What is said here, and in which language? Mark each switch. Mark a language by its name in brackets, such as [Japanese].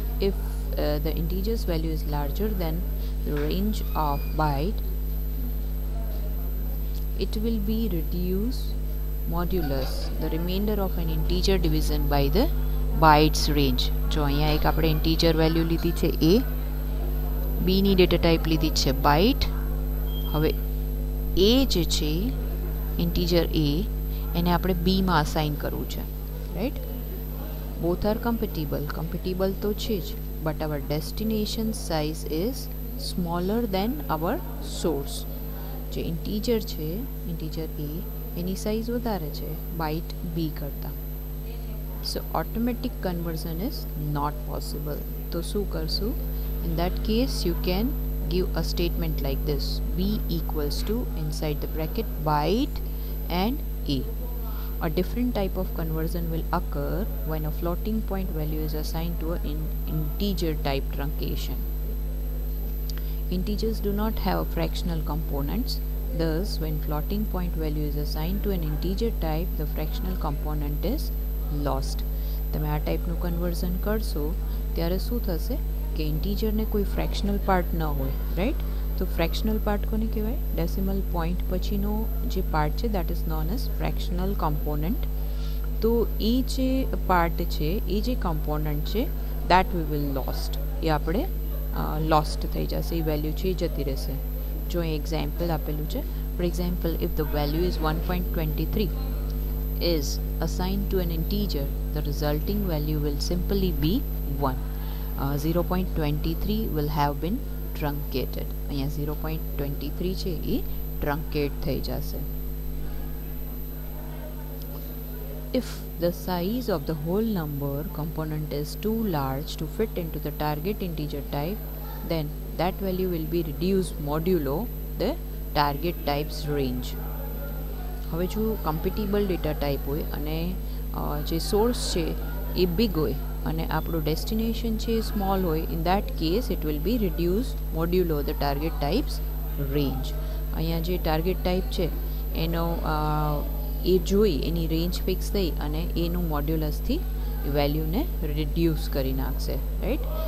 [English] If the integer's value is larger than the range of byte, it will be reduced modulus the remainder of an integer division by the byte's range. [Gujarati] જો અહીંયા એક આપણે integer value લીધી છે a, b ની data type લીધી છે byte. હવે એ જે છે ઇન્ટીજર એ, એને આપણે બીમાં અસાઇન કરવું છે, right? [English] Both are compatible. [Gujarati] Compatible તો છે જ, [English] But our destination size is smaller than our source. [Gujarati] જે ઇન્ટીજર છે, ઇન્ટીજર એ, એની સાઇઝ વધારે છે બાઇટ બી કરતાં. [English] So automatic conversion is not possible. [Gujarati] તો શું કરશું? [English] In that case you can give a statement like this: b equals to inside the bracket byte and a. A different type of conversion will occur when a floating point value is assigned to an integer type truncation. Integers do not have fractional components, Thus, when floating point value is assigned to an integer type, the fractional component is lost. [Gujarati] તમે આ ટાઈપનું conversion કરશો ત્યારે શું થશે કે ઇન્ટીજરને કોઈ fractional part ન હોય, રાઈટ? તો ફ્રેક્શનલ પાર્ટ કોને કહેવાય? ડેસિમલ પોઈન્ટ પછીનો જે પાર્ટ છે [English] That is known as fractional component. [Gujarati] તો એ જે પાર્ટ છે, એ જે કોમ્પોનન્ટ છે, [English] That we will lost. [Gujarati] એ આપણે લોસ્ટ થઈ જશે, એ વેલ્યુ છે એ જતી રહેશે. જો અહીં એક્ઝામ્પલ આપેલું છે, [English] For example, if the value is 1.23 is assigned to an integer, the resulting value will simply be 1. 0.23 will have been truncated. [Gujarati] અહીંયા 0.23 છે એ ટ્રંકેટ થઈ જશે. [English] If the size of the whole number component is too large to fit into the target integer type, then that value will be reduced modulo the target type's range. [Gujarati] હવે જો કમ્પિટિબલ data type હોય અને જે source છે એ big હોય અને આપણું destination છે એ સ્મોલ હોય, [English] In that case it will be reduce modulo the target types range. [Gujarati] અહીંયા જે ટાર્ગેટ ટાઈપ છે એનો એ જોઈ, એની રેન્જ ફિક્સ થઈ અને એનું મોડ્યુલસથી વેલ્યુને રિડ્યુસ કરી નાખશે, રાઈટ?